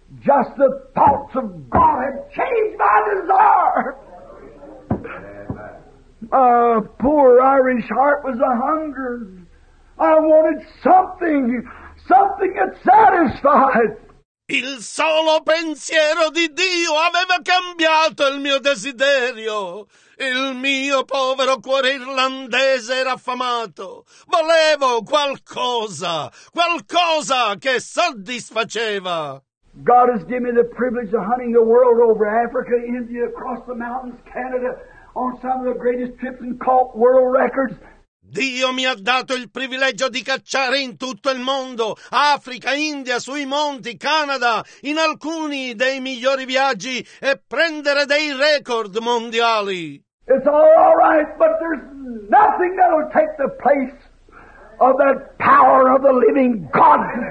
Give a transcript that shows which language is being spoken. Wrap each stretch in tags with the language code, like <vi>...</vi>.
<en>Just the thoughts of God have changed my desire. Poor Irish heart was a hunger. I wanted something that satisfied.</en> <it>Il solo pensiero di Dio aveva cambiato il mio desiderio. Il mio povero cuore irlandese era affamato. Volevo qualcosa che soddisfaceva.</it> <en>God has given me the privilege of hunting the world over, Africa, India, across the mountains, Canada, on some of the greatest trips and caught world records.</en> <it>Dio mi ha dato il privilegio di cacciare in tutto il mondo, Africa, India, sui monti, Canada, in alcuni dei migliori viaggi e prendere dei record mondiali.</it> <en>It's all right, but there's nothing that'll take the place of that power of the living God.</en>